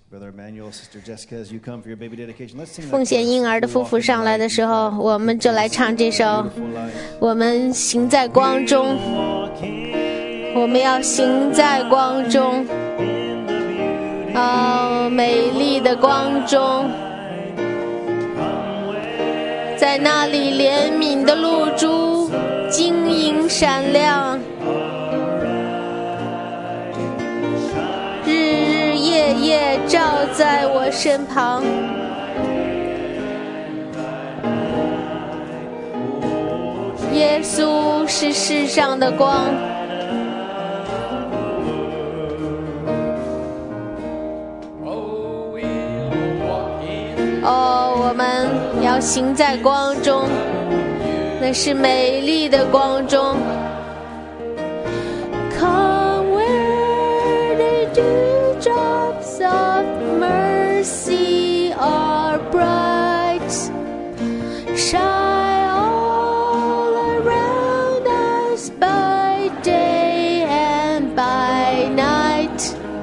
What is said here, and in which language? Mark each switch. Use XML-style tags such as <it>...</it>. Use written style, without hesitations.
<en>Brother Emmanuel, Sister Jessica, as you come for your baby dedication, let's sing.</en> <zh>奉献婴儿的夫妇上来的时候，我们就来唱这首。我们行在光中，我们要行在光中。哦，美丽的光中，在那里怜悯的露珠晶莹闪亮，日日夜夜照在我身旁。耶稣是世上的光。哦，我们要行在光中，那是美丽的光中。</zh> <en>Come where the dewdrops of mercy are bright, shine all around us by day and by night.</en>